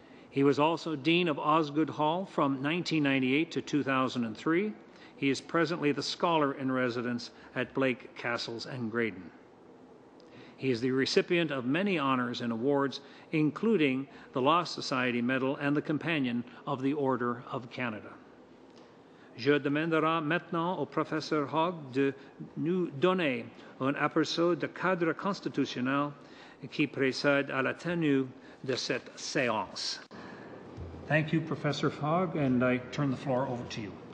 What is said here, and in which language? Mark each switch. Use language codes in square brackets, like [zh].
[en] He was also Dean of Osgoode Hall from 1998 to 2003. He is presently the Scholar in Residence at Blake, Castles and Graydon. He is the recipient of many honours and awards, including the Law Society Medal and the Companion of the Order of Canada. [fr] Je demandera maintenant au professeur Hogg de nous donner un aperçu de cadre constitutionnel qui précède à la tenue de cette séance. [en] Thank you, Professor Hogg, and I turn the floor over to you.